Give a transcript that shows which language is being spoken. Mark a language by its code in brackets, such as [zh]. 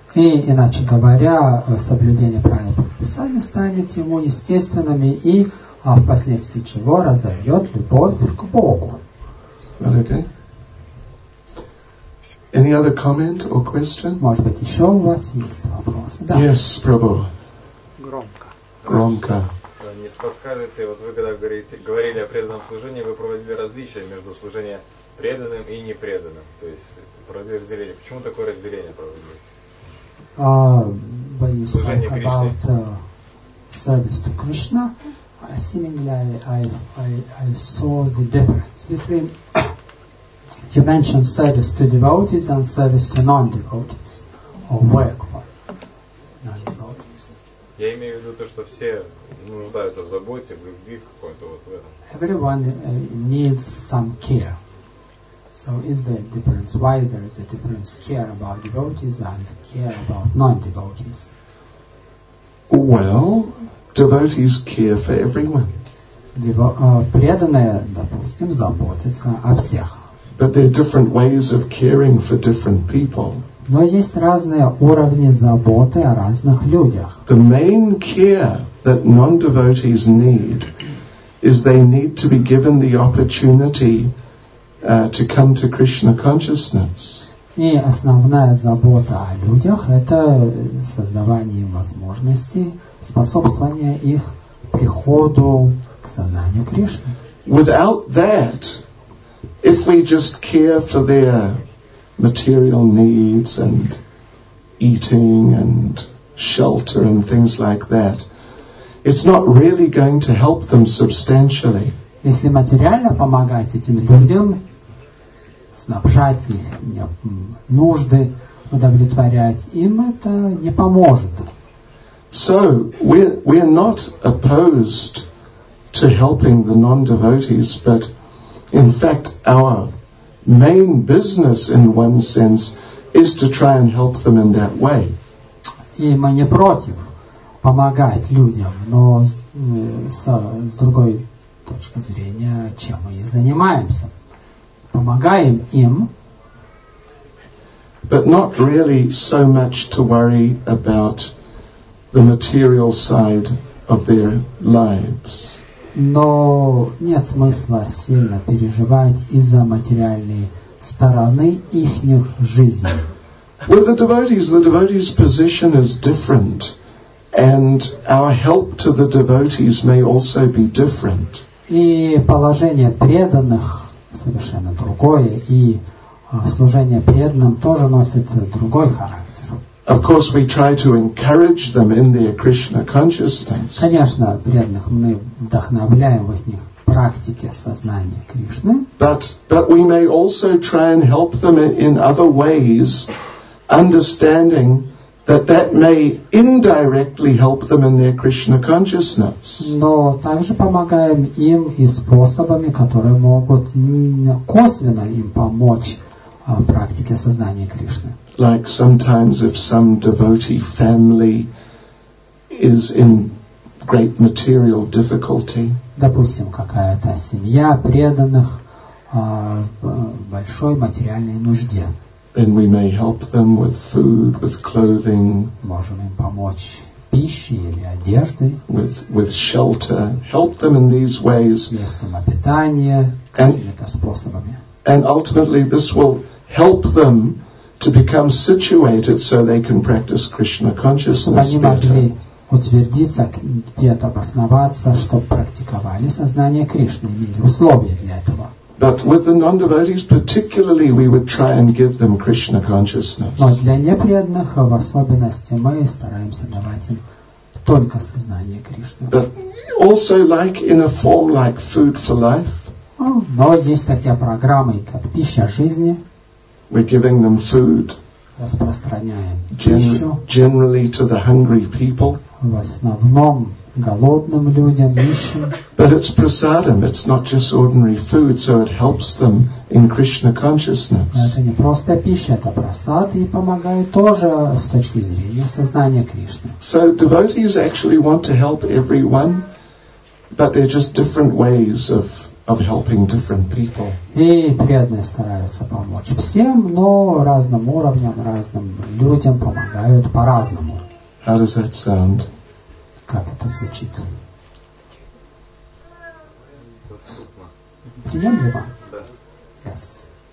[ru] И, иначе говоря, соблюдение правил предписания станет ему естественным и впоследствии чего разовьет любовь к Богу. [en] Okay. Any other comment or question? [ru] Может быть, еще у вас есть вопрос? Да. [en] Yes, Prabhu. [ru] Громко. Не подскажете, вот вы когда говорили о преданном служении, вы проводили различия между служением преданным и непреданным. То есть, проводили разделение. Почему такое разделение проводили? [en] When you spoke about service to Krishna, seemingly I saw the difference between you mentioned service to devotees and service to non-devotees or work for non-devotees. [ru] Я имею в виду то, что все нуждаются в заботе, в любви какой-то вот в этом. [en] Everyone needs some care. So is there a difference? Why there is a difference? Care about devotees and care about non-devotees. Well, devotees care for everyone. [ru] Преданные, допустим, заботятся о всех. [en] But there are different ways of caring for different people. [ru] Но есть разные уровни заботы о разных людях. [en] The main care that non-devotees need is they need to be given the opportunity to come to Krishna consciousness. [ru] И основная забота о людях – это создавание возможностей, способствование их приходу к сознанию Кришны. [en] Without that, if we just care for their material needs and eating and shelter and things like that, it's not really going to help them substantially. [ru] Если материально помогать этим людям, снабжать их нужды, удовлетворять им, это не поможет. [en] So we're not opposed to helping the non-devotees, but in fact our main business in one sense is to try and help them in that way. [ru] И мы не против помогать людям, но с другой точки зрения, чем мы и занимаемся. Помогаем им, [en] but not really so much to worry about the material side of their lives. [ru] Но нет смысла сильно переживать из-за материальной стороны ихних жизней. [en] With the devotees' position is different, and our help to the devotees may also be different. [ru] И положение преданных совершенно другое, и служение преданным тоже носит другой характер. [en] Of course, we try to encourage them in their Krishna consciousness. [ru] Конечно, преданных мы вдохновляем в их практике сознания Кришны. [en] But we may also try and help them in other ways, understanding that may indirectly help them in their Krishna consciousness. [ru] Но также помогаем им и способами, которые могут косвенно им помочь в практике сознания Кришны. [en] Like sometimes if some devotee family is in great material difficulty. [ru] Допустим, какая-то семья преданных большой материальной нужде. [en] Then we may help them with food, with clothing. [ru] Можем им помочь пищи или одежды, [en] with shelter, help them in these ways, [ru] местом обитания, какими-то способами. [en] And ultimately this will help them to become situated so they can practice Krishna consciousness better. [ru] Они могли утвердиться, где-то обосноваться, чтобы практиковали сознание Кришны, имели условия для этого. [en] But with the non-devotees particularly, we would try and give them Krishna consciousness. [ru] Но для непреданных в особенности мы стараемся давать им только сознание Кришны. [en] But also like in a form like Food for Life. [ru] Но есть такие программы, как Пища жизни. [en] We're giving them food. [ru] Распространяем пищу. [en] Generally to the hungry people. [ru] В основном голодным людям, нищим. [en] But it's prasadam, it's not just ordinary food, so it helps them in Krishna consciousness. [ru] Это не просто пища, это прасад, и помогает тоже с точки зрения сознания Кришны. [en] So devotees actually want to help everyone, but they're just different ways of helping different people. [ru] И преданные стараются помочь всем, но разным уровням, разным людям помогают по-разному. [en] How does that sound? [ru] Как это звучит? Приемлемо? [en] Yes.